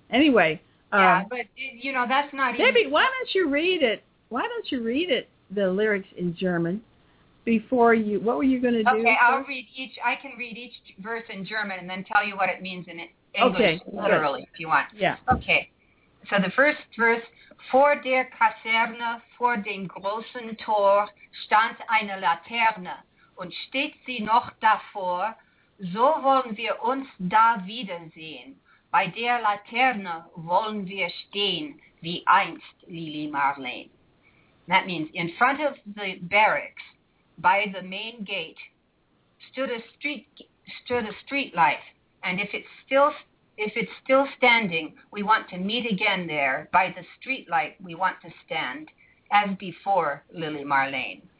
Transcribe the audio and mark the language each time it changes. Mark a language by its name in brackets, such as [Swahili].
[English] Anyway. Yeah, but you know, that's not Debbie, even. Debbie, why don't you read it? Why don't you read it, the lyrics in German, before you, what were you going to do? Okay, I can read each verse in German and then tell you what it means in English, literally, if you want. Yeah. Okay. So the first verse, [German] vor der Kaserne, vor dem großen Tor, stand eine Laterne, und steht sie noch davor, so wollen wir uns da wiedersehen. Bei der Laterne wollen wir stehen, wie einst Lili Marleen. [English] That means, in front of the barracks, by the main gate, stood a street light, and if it's still standing, we want to meet again there. By the streetlight, we want to stand as before, Lily Marleen.